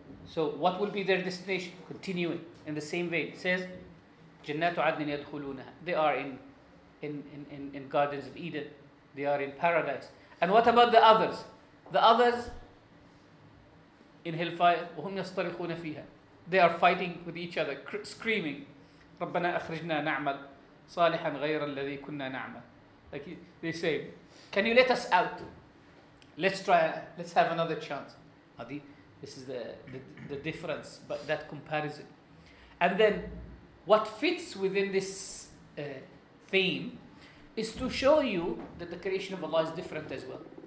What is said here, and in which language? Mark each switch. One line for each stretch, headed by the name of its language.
English: So what will be their destination? Continuing in the same vein. It says,
Arabic: جَنَّاتُ عَدْنٍ يَدْخُلُونَهَا,
English: they are in gardens of Eden. They are in paradise. And what about the others? The others in hellfire,
Arabic: وهم يصطرخون فيها.
English: They are fighting with each other, screaming,
Arabic: ربنا أخرجنا نعمل صالحا غير الذي كنا نعمل.
English: Like they say, can you let us out? Let's try, let's have another chance. This is the difference, but that comparison. And then what fits within this theme is to show you that the creation of Allah is different as well.